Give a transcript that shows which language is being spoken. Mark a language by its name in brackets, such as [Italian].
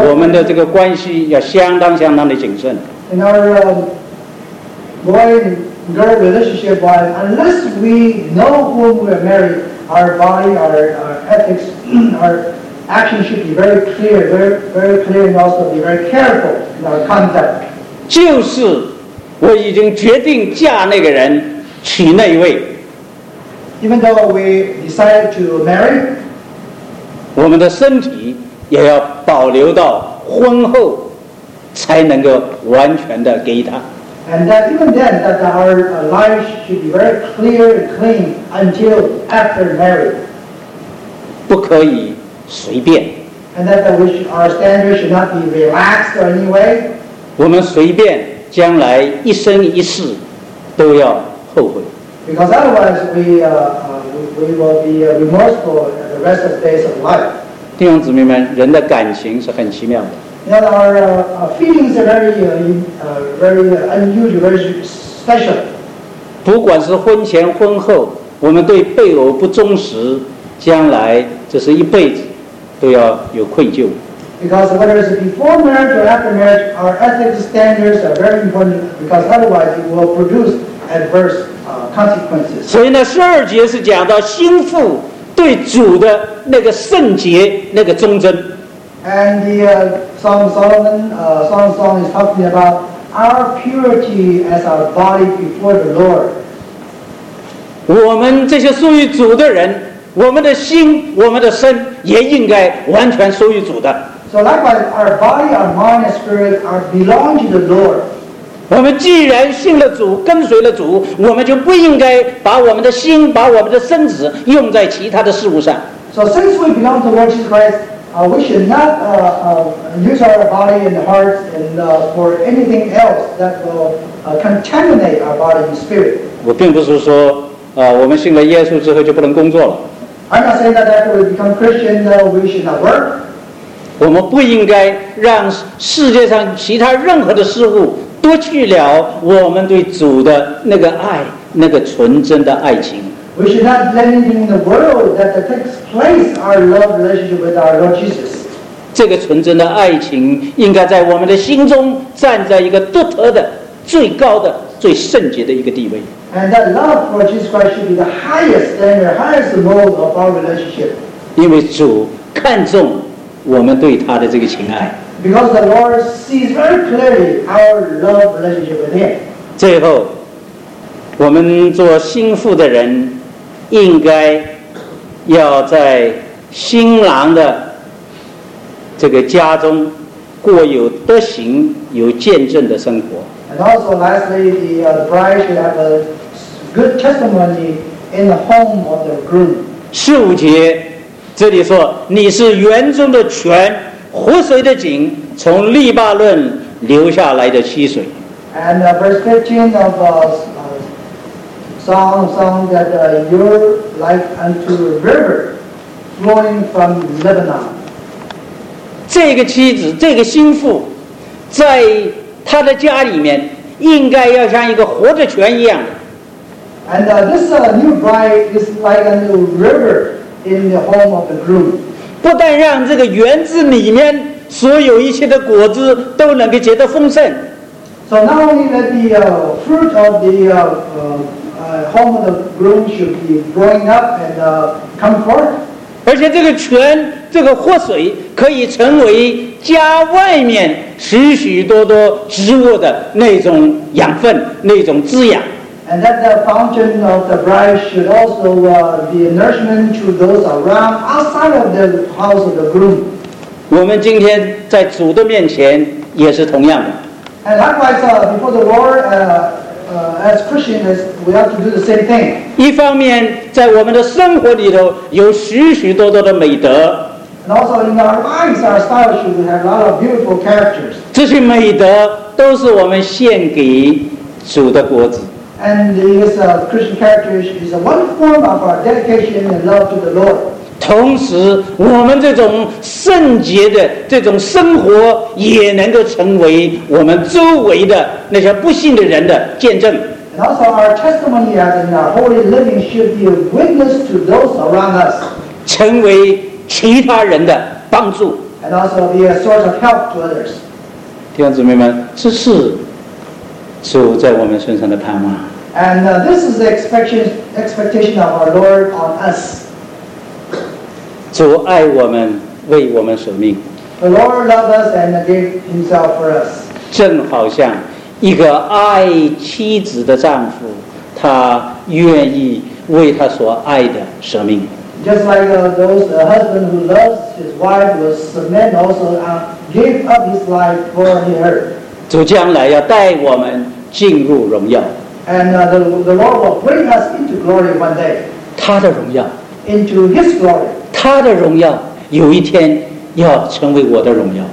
[Chinese] 我们的这个关系要相当相当的谨慎。 [English] In our boy and girl relationship, wise, unless we know whom we are married, our body, our ethics, our actions should be very clear, very, very clear, and also be very careful in our conduct. [Chinese] 就是我已经决定嫁那个人，娶那一位。 [English] Even though we decided to marry, [Chinese] 我们的身体。也要保留到婚后才能够完全的给他。 [English] And that even then, that our lives should be very clear and clean until after marriage. [Chinese] 不可以随便。 [English] And that our standards should not be relaxed in any way. [Chinese] 我们随便，将来一生一世都要后悔。 [English] Because otherwise we will be remorseful the rest of the days of life. [Chinese] 弟兄姊妹们，人的感情是很奇妙的。 [English] that our feelings are very unusual, very special. [Chinese] 不管是婚前婚后，我们对配偶不忠实，将来这是一辈子都要有愧疚。 [English] Because whether it's before marriage or after marriage, our ethics standards are very important. Because otherwise, it will produce adverse consequences. [Chinese] 所以呢，十二节是讲到心腹对主的那个圣洁、那个忠贞。 [English] And the Song of Solomon is talking about our purity as our body before the Lord. [Chinese] 我们这些属于主的人，我们的心、我们的身也应该完全属于主的。 [English] So likewise, our body, our mind, and spirit are belong to the Lord. [Chinese] 我们既然信了主，跟随了主，我们就不应该把我们的心、把我们的身子用在其他的事物上。 [English] So since we belong to the Lord Jesus Christ, we should not use our body and hearts and for anything else that will contaminate our body and spirit. [Chinese] 我并不是说我们信了耶稣之后就不能工作了。 [English] I'm not saying that after we become Christian, we should not work. [Chinese] 我们不应该让世界上其他任何的事物夺去了我们对主的那个爱，那个纯真的爱情。 [English] We should not let anything in the world that takes place our love relationship with our Lord Jesus. [Chinese] 这个纯真的爱情应该在我们的心中站在一个独特的、最高的、最圣洁的一个地位。 [English] And that love for Jesus Christ should be the highest standard, highest mode of our relationship. [Chinese] 因为主看重我们对他的这个情爱。 [English] Because the Lord sees very clearly our love relationship with Him. [Chinese] 最后，我们做新妇的人，应该要在新郎的这个家中过有德行、有见证的生活。 [English] And also, lastly, the bride should have a good testimony in the home of the groom. [Chinese] 十五节。这里说你是园中的泉，活水的井，从利巴论流下来的溪水。 [English] And verse 15 of song that you're like unto a river flowing from Lebanon. [Chinese] 这个妻子，这个心腹，在他的家里面，应该要像一个活的泉一样。 [English] And this new bride is like a new river. In the home of the groom, [Chinese] 不但让这个园子里面所有一切的果子都能够结得丰盛。 [English] So not only that the fruit of the home of the groom should be growing up and come forth, [Chinese] 而且这个泉、这个活水可以成为家外面许许多多植物的那种养分、那种滋养。 [English] And that the fountain of the bride should also be a nourishment to those around outside of the house of the groom. [Chinese] 我们今天在主的面前也是同样的。 [English] And likewise, before the Lord, as Christians, we have to do the same thing. [Chinese] 一方面，在我们的生活里头有许许多多的美德。 [English] And also in our lives, our style should have a lot of beautiful characters. [Chinese] 这些美德都是我们献给主的果子。 [English] And this Christian character is one form of our dedication and love to the Lord. [Chinese] 同时，我们这种圣洁的这种生活也能够成为我们周围的那些不信的人的见证。 [English] And also, our testimony as in our holy living should be a witness to those around us. [Chinese] 成为其他人的帮助。 [English] And also be a source of help to others. [Chinese] 弟兄姊妹们，这是。主在我们身上的盼望。 [English] And this is the expectation of our Lord on us. [Chinese] 主爱我们，为我们舍命。 [English] The Lord loved us and gave Himself for us. [Chinese] 正好像一个爱妻子的丈夫，他愿意为他所爱的舍命。 [English] Just like a husband who loves his wife will submit also give up his life for her. [Chinese] 主将来要带我们进入荣耀。 [English] And the Lord will bring us into glory one day. [Chinese] 他的荣耀。 [English] Into His glory. [Chinese] 他的荣耀有一天要成为我的荣耀。